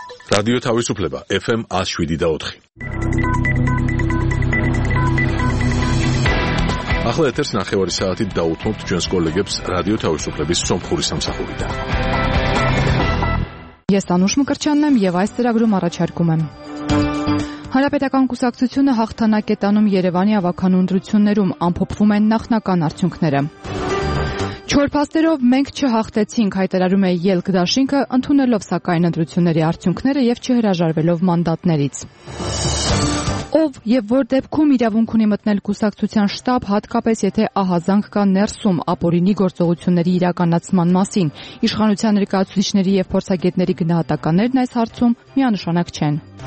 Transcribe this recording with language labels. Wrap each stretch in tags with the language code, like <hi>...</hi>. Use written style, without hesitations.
<ka>Radio Თავისუფლება FM 107.4. ახლა ეთერს ნახევარი საათი დაუთმობთ ჩვენს კოლეგებს Radio Თავისუფლების სომხური სამსახურიდან.</ka> <hy>Ես Անուշ Մկրտչյանն եմ եւ այս ծրագրում առաջարկում եմ. Հանրապետական կուսակցությունը հաղթանակ է տանում Երևանի ավականդրություններում, ամփոփվում են նախնական արդյունքները. Չորփաստերով մենք չհաղթեցինք, հայտարարում է ելք դաշինքը, ընդունելով սակայն ընտրությունների արդյունքները եւ չհրաժարվելով մանդատներից։ Ով եւ որ դեպքում իրավունք ունի մտնել կուսակցության շտաբ, հատկապես եթե ահազանգ կա ներսում ապօրինի գործողությունների իրականացման մասին, իշխանության ներկայացուցիչների եւ փորձագետների գնահատականներն այս հարցում միանշանակ չեն։</hy>